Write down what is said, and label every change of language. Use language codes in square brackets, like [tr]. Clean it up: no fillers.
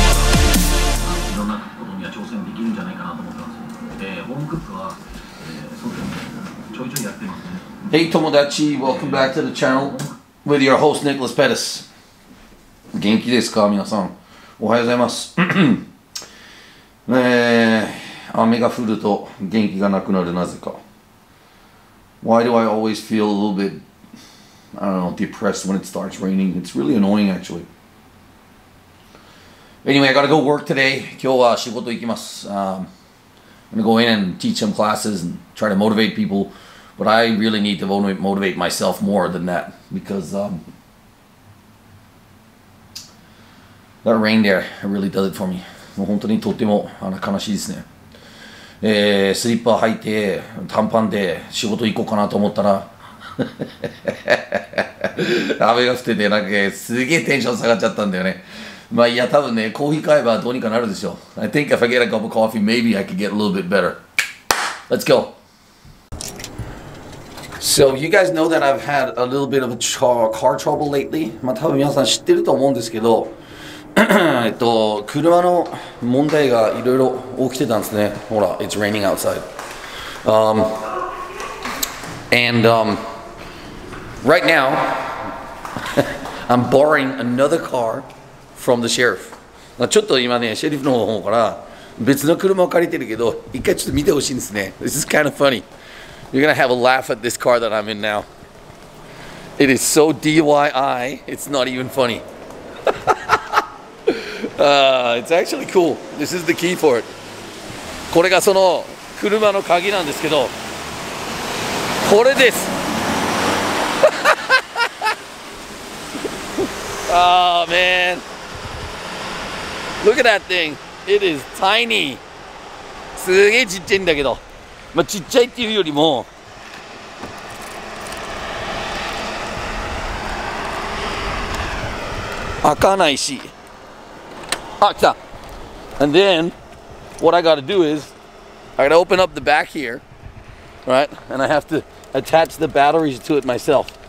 [ja] してもできるんじゃないかなと思ってますので、ホームクックは、そうですね、ちょいちょいやってますね。 [en] Hey, tomodachi, welcome back to the channel with your host, ニコラスペタス. [ja] 元気ですか、皆さん。おはようございます。雨が降ると元気がなくなる、なぜか。 [en] Why do I always feel a little bit, I don't know, depressed when it starts raining? It's really annoying, actually. Anyway, I gotta go work today. [ja] 今日は仕事行きます。 [en] I'm gonna go in and teach some classes and try to motivate people. But I really need to motivate myself more than that because that rain there really does it for me. [ja] もう本当にとっても悲しいですね。スリッパ履いて短パンで仕事行こうかなと思ったら雨が降ってて、なんかすげえテンション下がっちゃったんだよね。まあいや、多分ね、コーヒー買えばどうにかなるでしょう。 [en] I think if I get a cup of coffee, maybe I could get a little bit better. Let's go. So, you guys know that I've had a little bit of a car trouble lately. [ja] まあ多分皆さん知ってると思うんですけど、車の問題がいろいろ起きてたんですね。 [en] ほら、It's raining outside. Right now, I'm borrowing another car from the sheriff. [ja] まあちょっと今ね、シェリフの方から別の車を借りてるけど、一回ちょっと見てほしいんですね。 [en] This is kind of funny. You're gonna have a laugh at this car that I'm in now. It is so DIY, it's not even funny. it's actually cool. This is the key for it. [ja] これがその車の鍵なんですけど、これです。 [en] Oh man. Look at that thing. It is tiny. [ja] すげえちっちゃいんだけど。まあ、ちっちゃいっていうよりも、開かないし、あ、来た。 [en] And then, what I gotta do is, I gotta open up the back here, right? And I have to attach the batteries to it myself.